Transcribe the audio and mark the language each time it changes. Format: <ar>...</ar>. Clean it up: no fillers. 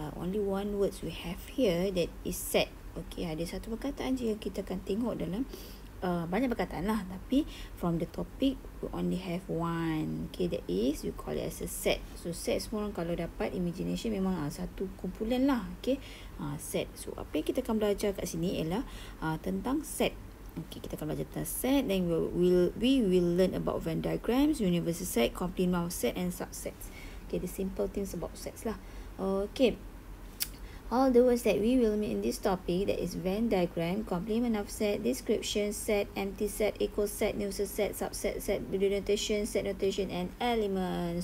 <en>Only one words we have here that is set.</en> <ms>Okay, ada satu perkataan je yang kita akan tengok dalam banyak perkataan lah.</ms> <en>Tapi, from the topic, we only have one. Okay, that is, we call it as a set.</en> <ms>So, set semua orang kalau dapat, imagination memang satu kumpulan lah.</ms> <en>Okay, set.</en> <ms>So, apa yang kita akan belajar kat sini ialah tentang set. Okay, kita akan belajar tentang set.</ms> <en>Then, we will learn about Venn diagrams, universal set, complement of set and subsets. Okay, the simple things about sets lah. Okay. All the words that we will meet in this topic, that is Venn diagram, complement of set, description set, empty set, equal set, neutral set, subset set, denotation, set notation, and element.</en>